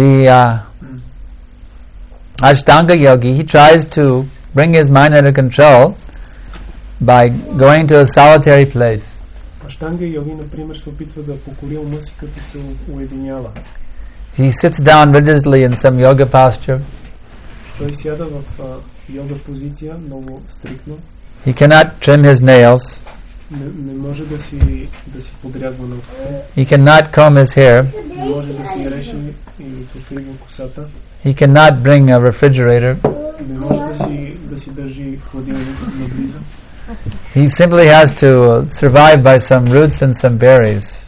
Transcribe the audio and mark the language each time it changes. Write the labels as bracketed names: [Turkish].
[English] The Ashtanga Yogi, he tries to bring his mind under control by going to a solitary place. [Bulgarian] Ashtanga Yogi, например, се опитва да покори ума си, като се уединява. [English] He sits down rigidly in some yoga posture. [Bulgarian] Той сяда в йога позиция, много стриктно. [English] He cannot trim his nails. [Bulgarian] Не може да си подрязва ногтите. [English] He cannot comb his hair. [Bulgarian] Не може да си реши или подстригне косата. [English] He cannot bring a refrigerator. [Bulgarian] Не може да си държи хладилник наблизо. [English] He simply has to survive by some roots and some berries.